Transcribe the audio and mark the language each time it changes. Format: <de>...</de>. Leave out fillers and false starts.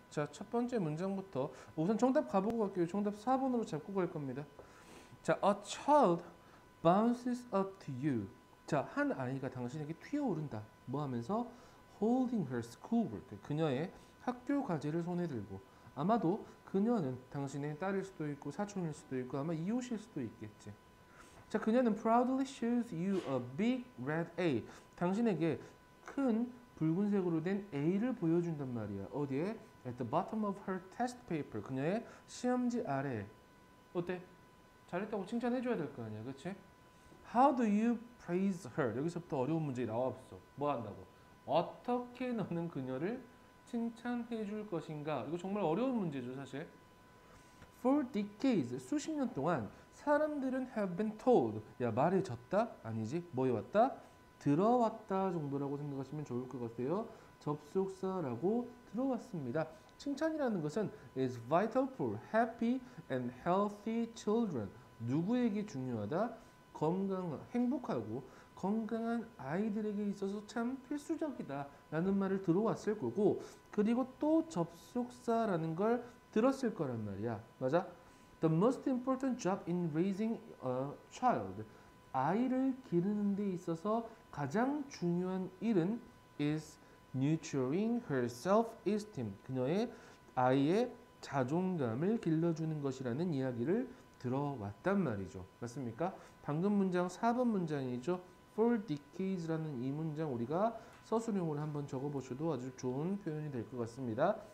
<ko>자, 첫 번째 문장부터 우선 정답 가보고 갈게요. 정답 4번으로 잡고 갈 겁니다.</ko> <en>자, a child bounces up to you.</en> <ko>자, 한 아이가 당신에게 튀어오른다. 뭐 하면서?</ko> <en>Holding her schoolwork.</en> <ko>그녀의 학교 과제를 손에 들고. 아마도 그녀는 당신의 딸일 수도 있고 사촌일 수도 있고 아마 이웃일 수도 있겠지.</ko> <en>자,</en> <ko>그녀는</ko> <en>proudly shows you a big red A.</en> <ko>당신에게 큰 붉은색으로 된 A를 보여준단 말이야. 어디에?</ko> <en>At the bottom of her test paper.</en> <ko>그녀의 시험지 아래에. 어때? 잘했다고 칭찬해줘야 될거 아니야, 그치?</ko> <en>How do you praise her?</en> <ko>여기서부터 어려운 문제가 나왔어. 뭐 한다고? 어떻게 너는 그녀를 칭찬해줄 것인가? 이거 정말 어려운 문제죠, 사실.</ko> <en>For decades,</en> <ko>수십 년 동안 사람들은</ko> <en>have been told.</en> <ko>야, 말해졌다? 아니지, 뭐 해왔다? 들어왔다 정도라고 생각하시면 좋을 것 같아요. 접속사라고 들어왔습니다. 칭찬이라는 것은</ko> <en>is vital for happy and healthy children.</en> <ko>누구에게 중요하다? 행복하고 건강한 아이들에게 있어서 참 필수적이다라는 말을 들어왔을 거고, 그리고 또 접속사라는 걸 들었을 거란 말이야. 맞아?</ko> <en>The most important job in raising a child.</en> <ko>아이를 기르는 데 있어서 가장 중요한 일은</ko> <en>is nurturing her self-esteem.</en> <ko>그녀의 아이의 자존감을 길러주는 것이라는 이야기를 들어왔단 말이죠. 맞습니까? 방금 문장 4번 문장이죠.</ko> <en>For decades</en> <ko>라는 이 문장 우리가 서술용으로 한번 적어보셔도 아주 좋은 표현이 될것 같습니다.</ko>